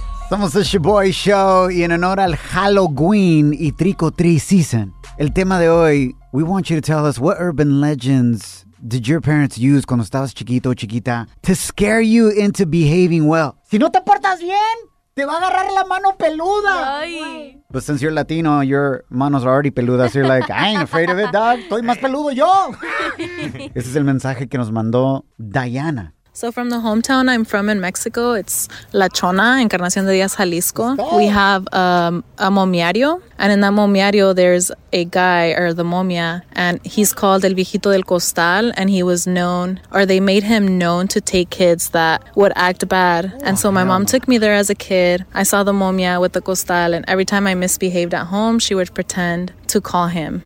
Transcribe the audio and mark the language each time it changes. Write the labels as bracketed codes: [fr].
[es] Somos [en] the Shaboy Show, [es] y en honor al [en] Halloween y Trico Tree season, [es] el tema de hoy, [en] we want you to tell us what urban legends did your parents use [es] cuando estabas chiquito o chiquita [en] to scare you into behaving well? [es] Si no te portas bien, te va a agarrar la mano peluda. Ay. [en] But since you're Latino, your manos are already peludas. So you're like, I ain't afraid of it, dog. [es] Estoy más peludo yo. Ese es el mensaje que nos mandó Diana. [en] So from the hometown I'm from in Mexico, it's La Chona, Encarnación de Díaz, Jalisco. We have a momiario, and in that momiario, there's a guy, or the momia, and he's called El Viejito del Costal, and he was known, or they made him known to take kids that would act bad. And so my mom took me there as a kid. I saw the momia with the costal, and every time I misbehaved at home, she would pretend to call him.